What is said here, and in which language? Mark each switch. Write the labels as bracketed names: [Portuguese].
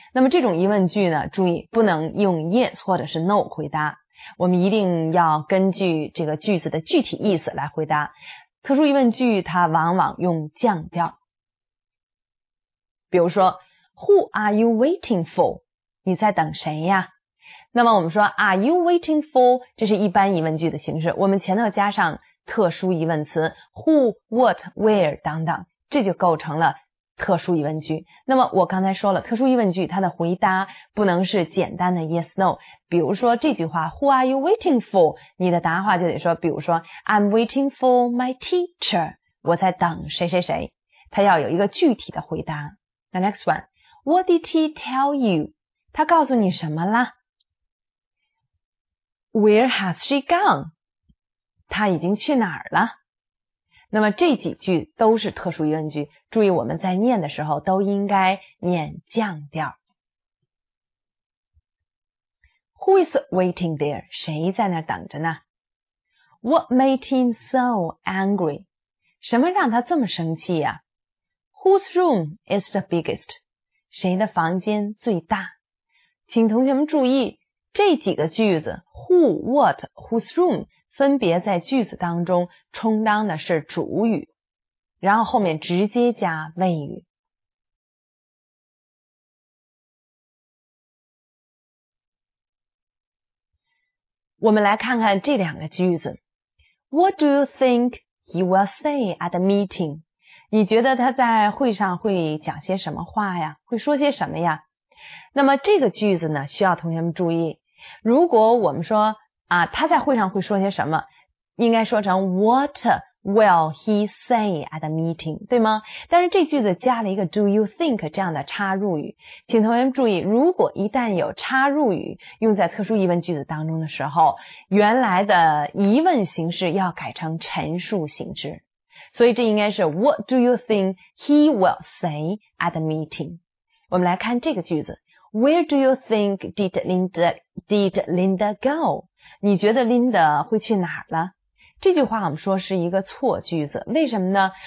[Chinese] 那么这种疑问句呢，注意不能用 yes 或者是 no 回答，我们一定要根据这个句子的具体意思来回答。特殊疑问句它往往用降调，比如说 [English] Who are you waiting for? [Chinese] 你在等谁呀？那么我们说 [English] Are you waiting for? [Chinese] 这是一般疑问句的形式，我们前头加上特殊疑问词 Who, what, where 等等，这就构成了特殊疑问句。那么我刚才说了，特殊疑问句它的回答不能是简单的 yes no， 比如说这句话 [English] Who are you waiting for? [Chinese] 你的答话就得说，比如说 [English] I'm waiting for my teacher， [Chinese] 我在等谁谁谁，它要有一个具体的回答。 [English] The next one， What did he tell you? [Chinese] 他告诉你什么啦？ [English] Where has she gone? [Chinese] 他已经去哪儿了？那么这几句都是特殊疑问句，注意我们在念的时候都应该念降调。 [English] Who is waiting there? [Chinese] 谁在那等着呢？ [English] What made him so angry? [Chinese] 什么让他这么生气呀？ [English] Whose room is the biggest? [Chinese] 谁的房间最大？请同学们注意，这几个句子 Who, what, whose room分别在句子当中充当的是主语，然后后面直接加谓语。我们来看看这两个句子。 [English] What do you think he will say at the meeting? [Chinese] 你觉得他在会上会讲些什么话呀？会说些什么呀？那么这个句子呢，需要同学们注意，如果我们说啊，他在会上会说些什么，应该说成 [English] What will he say at the meeting， [Chinese] 对吗？但是这句子加了一个 [English] Do you think [Chinese] 这样的插入语，请同学们注意，如果一旦有插入语用在特殊疑问句子当中的时候，原来的疑问形式要改成陈述形式。所以这应该是 [English] What do you think he will say at the meeting？ [Chinese] 我们来看这个句子。 [English] Where do you think did Linda go？ [Chinese] 你觉得 Linda 会去哪儿了？这句话我们说是一个错句子。为什么呢？